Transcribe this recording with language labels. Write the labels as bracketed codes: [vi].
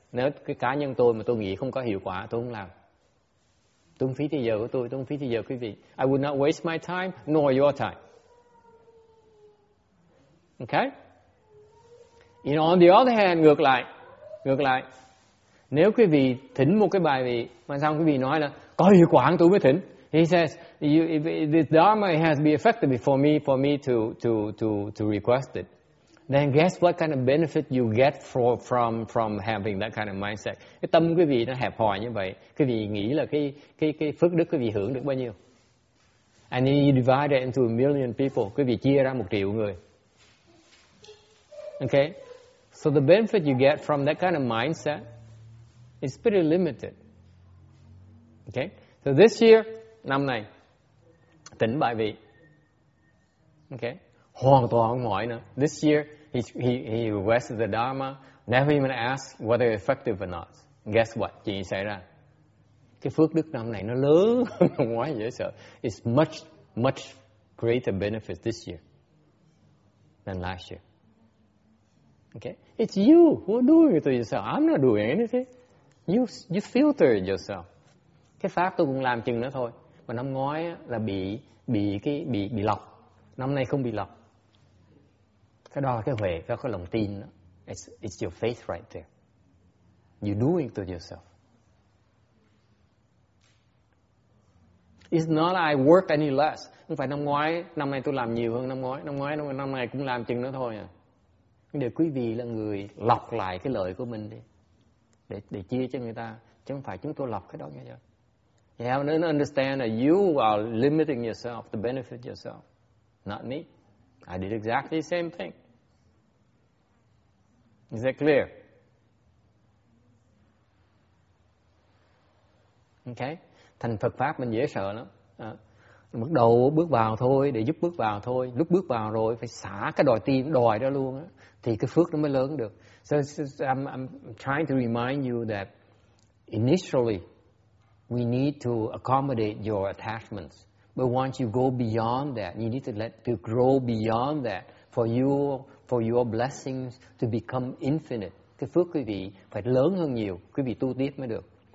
[vi] Nếu cái cá nhân tôi mà tôi nghĩ không có hiệu quả, tôi không làm. Tôi không phí thời giờ của tôi, tôi không phí thời giờ quý vị. [en] I would not waste my time, nor your time. Okay? You know, on the other hand, [vi] ngược lại, nếu quý vị thỉnh một cái bài vị, mà sao quý vị nói là có hiệu quả tôi mới thỉnh. [en] He says, if the dharma has been effective for me to request it, then guess what kind of benefit you get from having that kind of mindset. [vi] Cái tâm quý vị nó hẹp hòi như vậy, quý vị nghĩ là cái phước đức quý vị hưởng được bao nhiêu? [en] And then you divide it into 1 million people, [vi] quý vị chia ra 1 triệu người. [en] Okay, so the benefit you get from that kind of mindset is pretty limited. Okay, so this year, [vi] năm này, tỉnh bài vị. Okay, hoàn toàn không hỏi nữa. [en] This year, he requested the Dharma, never even asked whether effective or not. Guess what? [vi] Chuyện xảy ra. Cái phước đức năm này nó lớn, quá dễ sợ. [en] It's much, much greater benefit this year than last year. Okay? It's you who are doing it to yourself. I'm not doing anything. You filter it yourself. [vi] Cái pháp tôi cũng làm chừng nữa thôi. Mà năm ngoái là bị lọc. Năm nay không bị lọc. Cái đó là cái huệ, cái lòng tin đó. [en] It's your faith right there. You're doing it to yourself. It's not like I work any less. [vi] Không phải năm ngoái, năm nay tôi làm nhiều hơn năm ngoái. Năm nay cũng làm chừng nữa thôi à. Để quý vị là người lọc lại cái lợi của mình đi. Để chia cho người ta. Chứ không phải chúng tôi lọc cái đó nghe chưa? [en] You have to understand that you are limiting yourself to benefit yourself, not me. I did exactly the same thing. Is that clear? Okay. [vi] Thành Phật Pháp mình dễ sợ lắm. Bắt đầu bước vào thôi, để giúp bước vào thôi. Lúc bước vào rồi, phải xả cái đòi tim, đòi ra luôn á. Thì cái phước nó mới lớn được. [en] So I'm trying to remind you that initially, we need to accommodate your attachments. But once you go beyond that, you need to grow beyond that for your blessings to become infinite. [vi] Cái phước quý vị phải lớn hơn nhiều, quý vị tu tiếp mới được.